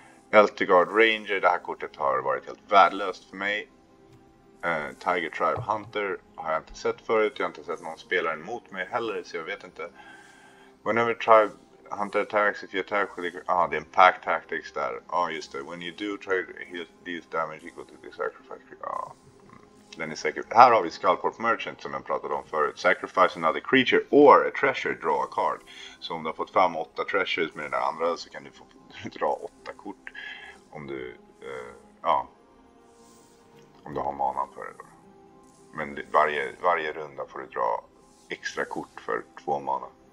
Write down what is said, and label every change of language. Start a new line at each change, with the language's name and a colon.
Swedish: Eltigard Ranger, det här kortet har varit helt värdelöst för mig. Tiger Tribe Hunter har jag inte sett förut. Jag har inte sett någon spelare mot mig heller, så jag vet inte.
English: Whenever Tribe Hunter attacks, if you attack with the...
Swedish: Ah, det är en pack tactics där. Ja, ah, just det.
English: When you do, try to heal deals damage equal to the sacrifice.
Swedish: Ja, ah, den är säker. Här har vi Skullport Merchant som jag pratade om förut.
English: Sacrifice another creature or a treasure, draw a card.
Swedish: Så om du har fått fram 8 treasures med den där andra så kan du få dra 8 kort. Om du, ja, om du har manan för det då. Men varje runda får du dra extra kort för 2 mana.